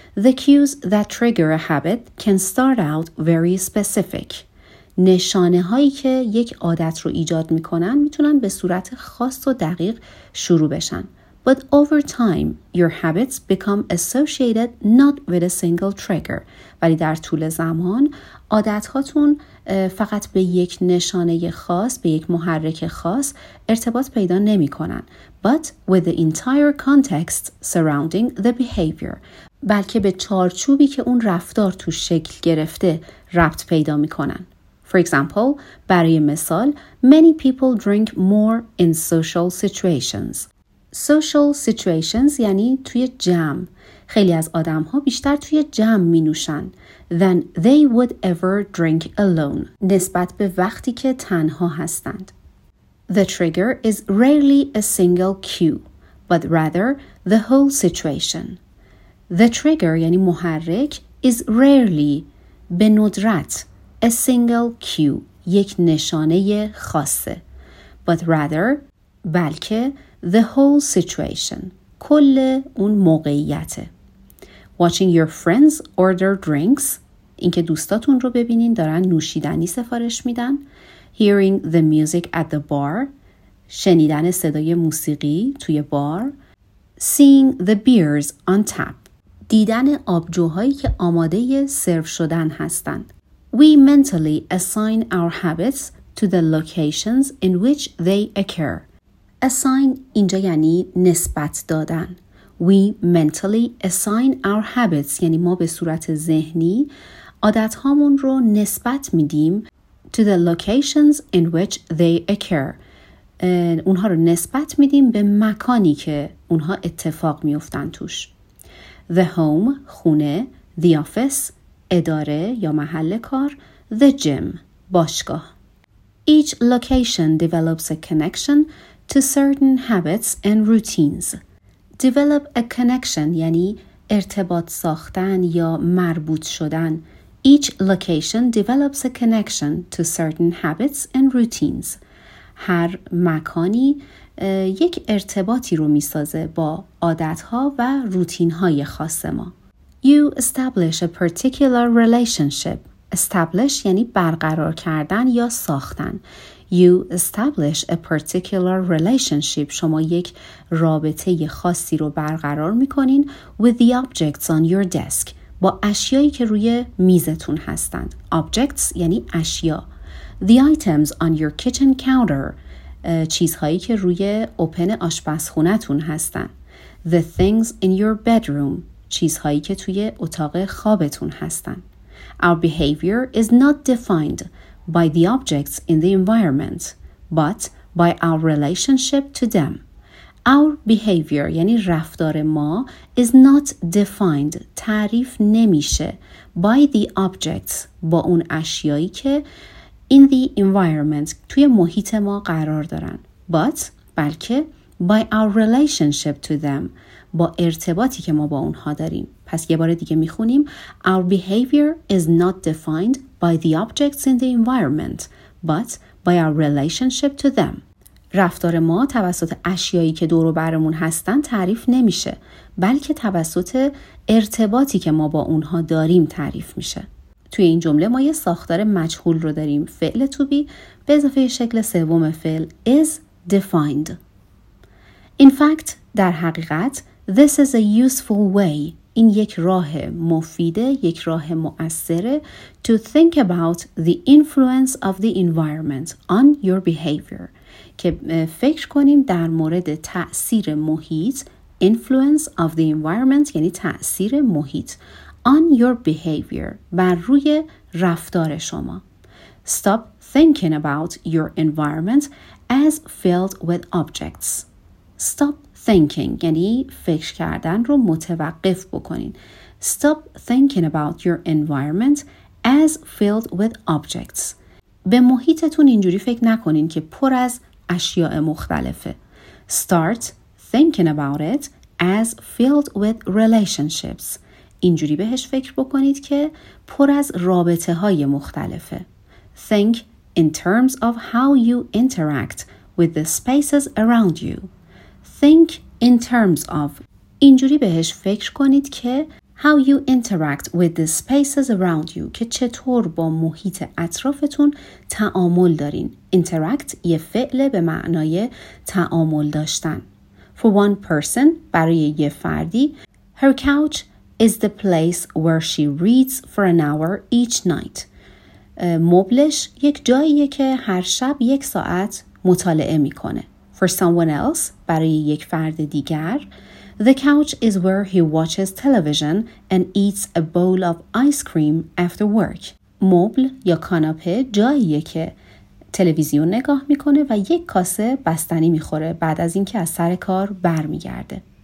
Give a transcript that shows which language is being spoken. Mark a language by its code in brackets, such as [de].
[en] The cues that trigger a habit can start out very specific. [fa] نشانه هایی که یک عادت رو ایجاد میکنن میتونن به صورت خاص و دقیق شروع بشن. [en] But over time, your habits become associated not with a single trigger. [fa] ولی در طول زمان، عادت‌هاتون فقط به یک نشانه خاص، به یک محرک خاص ارتباط پیدا نمی‌کنن. [en] But with the entire context surrounding the behavior. [fa] بلکه به چارچوبی که اون رفتار تو شکل گرفته ربط پیدا می‌کنن. [en] For example, [fa] برای مثال، [en] many people drink more in social situations. Social situations [fa] یعنی توی جمع. خیلی از آدم ها بیشتر توی جمع می نوشن [en] than they would ever drink alone [fa] نسبت به وقتی که تنها هستند. [en] The trigger is rarely a single cue but rather the whole situation. The trigger [fa] یعنی محرک [en] is rarely [fa] به ندرت [en] a single cue [fa] یک نشانه خاصه [en] but rather [fa] بلکه [en] the whole situation [fa] کل اون موقعیته. [en] Watching your friends order drinks [fa] اینکه دوستاتون رو ببینین دارن نوشیدنی سفارش میدن. [en] Hearing the music at the bar [fa] شنیدن صدای موسیقی توی بار. [en] Seeing the beers on tap [fa] دیدن آبجوهایی که آماده سرو شدن هستن. [en] We mentally assign our habits to the locations in which they occur. [fa] Assign اینجا یعنی نسبت دادن. [en] We mentally assign our habits [fa] یعنی ما به صورت ذهنی عادت هامون رو نسبت میدیم [en] to the locations in which they occur. [fa] اونها رو نسبت میدیم به مکانی که اونها اتفاق میفتن توش. [en] The home, [fa] خونه, [en] the office, [fa] اداره یا محل کار, [en] the gym, [fa] باشگاه. [en] Each location develops a connection to certain habits and routines. Develop a connection [fa] یعنی ارتباط ساختن یا مربوط شدن. [en] Each location develops a connection to certain habits and routines. [fa] هر مکانی یک ارتباطی رو می‌سازه با عادت‌ها و روتین‌های خاص ما. [en] You establish a particular relationship. [fa] Establish یعنی برقرار کردن یا ساختن. [en] You establish a particular relationship. [fa] شما یک رابطه خاصی رو برقرار می‌کنین [en] with the objects on your desk. [fa] با اشیایی که روی میزتون هستن. Objects یعنی اشیا. [en] The items on your kitchen counter. [fa] چیزهایی که روی اوپن آشپزخونتون هستن. [en] The things in your bedroom. [fa] چیزهایی که توی اتاق خوابتون هستن. [en] Our behavior is not defined by the objects in the environment, but by our relationship to them. Our behavior, [fa] یعنی رفتار ما, [en] is not defined, [fa] تعریف نمیشه, [en] by the objects, [fa] با اون اشیایی که [en] in the environment, [fa] توی محیط ما قرار دارن, [en] but, [fa] بلکه, [en] by our relationship to them, [fa] با ارتباطی که ما با اونها داریم. پس یه بار دیگه میخونیم, [en] Our behavior is not defined by the objects in the environment, but by our relationship to them. [fa] رفتار ما توسط اشیایی که دور و برمون هستن تعریف نمیشه، بلکه توسط ارتباطی که ما با اونها داریم تعریف میشه. توی این جمله ما یه ساختار مجهول رو داریم، فعل to be به اضافه شکل سوم فعل [en] is defined. In fact، [fa] در حقیقت، [en] this is a useful way، [fa] این یک راه مفیده، یک راه مؤثره [en] to think about the influence of the environment on your behavior، [fa] که فکر کنیم در مورد تأثیر محیط [en] influence of the environment [fa] یعنی تأثیر محیط [en] on your behavior [fa] بر روی رفتار شما. [en] Stop thinking about your environment as filled with objects. Stop thinking [fa] یعنی فکر کردن رو متوقف بکنین. [en] Stop thinking about your environment as filled with objects. [fa] به محیطتون اینجوری فکر نکنین که پر از اشیاء مختلفه. [en] Start thinking about it as filled with relationships. [fa] اینجوری بهش فکر بکنید که پر از رابطه های مختلفه. [en] Think in terms of how you interact with the spaces around you. Think in terms of. [fa] اینجوری بهش فکر کنید که [en] how you interact with the spaces around you. [fa] که چطور با محیط اطرافتون تعامل دارین. Interact یه فعل به معنای تعامل داشتن. [en] For one person, [fa] برای یه فردی, [en] her couch is the place where she reads for an hour each night. [fa] مبلش یک جاییه که هر شب یک ساعت مطالعه میکنه. [en] For someone else, [fa] برای یک فرد دیگر, [en] the couch is where he watches television and eats a bowl of ice cream after work. [fa] مبل یا کاناپه جاییه که تلویزیون نگاه میکنه و یک کاسه بستنی میخوره بعد از اینکه از سر کار برمیگرده.